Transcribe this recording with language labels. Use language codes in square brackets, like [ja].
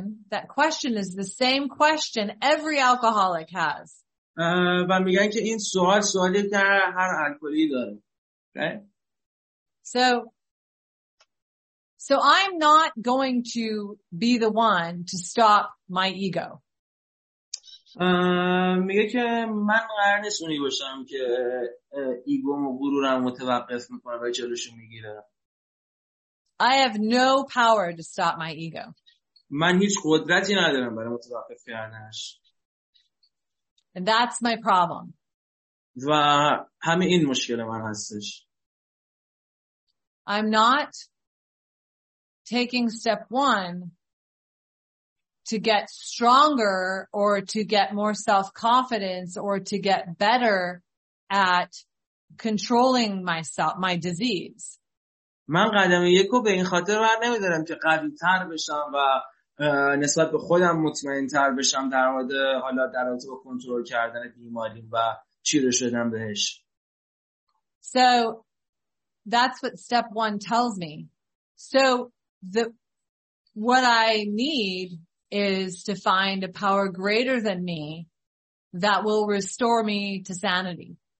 [en] That question is the same question every alcoholic has. [fa] و میگن که این سوالی که هر الکلی داره. Okay? [en] So I'm not going to be the one to stop my ego. [fa] میگه که من قرار نیست اونی باشم که ایگوم و غرورم متوقف میکنه و جلوشو میگیره. [en] I have no power to stop my ego. [fa] من هیچ قدرتی ندارم برای متوقف کردنش. [en] And that's my problem. [fa] و همه این مشکل من هستش. [en] I'm not taking step one to get stronger or to get more self-confidence or to get better at controlling myself, my disease. [fa] من قدم یکو به این خاطر بر نمیدارم که قوی‌تر بشم و نسبت به خودم مطمئن تر بشم در مورد حالا در رابطه با کنترل کردن بیماری و چیره شدن بهش. [en] So that's what step one tells me. So what I need is to find a power greater than me that will restore me to sanity.